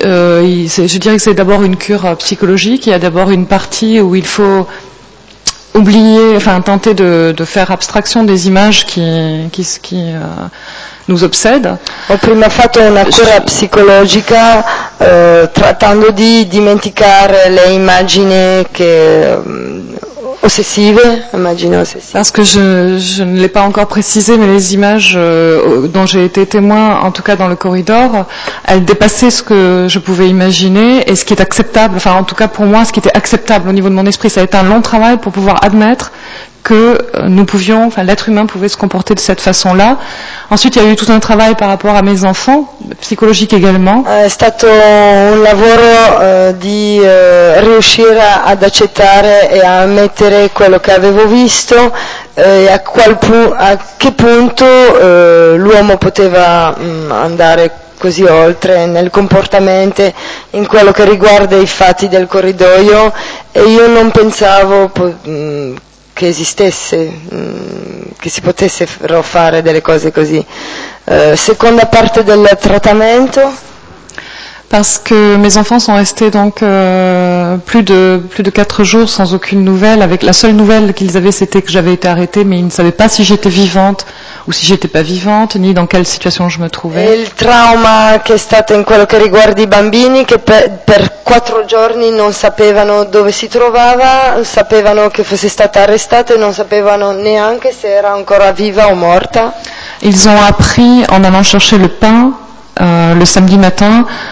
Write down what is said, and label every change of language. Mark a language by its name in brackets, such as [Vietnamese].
[French] Je dirais que c'est d'abord une cure psychologique. Il y a d'abord une partie où il faut oublier, enfin tenter de faire abstraction des images qui nous obsèdent. [Italian] Ho prima fatto una cura psicologica trattando di dimenticare le immagini che ossessive, imagine ossessive. [French] Parce que je ne l'ai pas encore précisé, mais les images dont j'ai été témoin, en tout cas dans le corridor, elles dépassaient ce que je pouvais imaginer et ce qui est acceptable, enfin en tout cas pour moi, ce qui était acceptable au niveau de mon esprit. Ça a été un long travail pour pouvoir admettre que nous pouvions, enfin l'être humain pouvait se comporter de cette façon-là. Ensuite, il y a eu tout un travail par rapport à mes enfants, psychologique également. [Italian] È stato un lavoro di riuscire ad accettare e a ammettere quello che avevo visto e a che punto l'uomo poteva andare così oltre nel comportamento, in quello che riguarda i fatti del corridoio, e io non pensavo che esistesse, che si potessero fare delle cose così. Seconda parte del trattamento. [French] Parce que mes enfants sont restés donc plus de 4 jours sans aucune nouvelle, avec la seule nouvelle qu'ils avaient, c'était que j'avais été arrêtée, mais ils ne savaient pas si j'étais vivante ou si j'étais pas vivante, ni dans quelle situation je me trouvais. Et le trauma qui est [Italian] stato in quello che riguarda i bambini, che per 4 giorni non sapevano dove si trovava, sapevano che fosse stata arrestata e non sapevano neanche se era ancora viva o morta. [French] Ils ont appris en allant chercher le pain le samedi matin.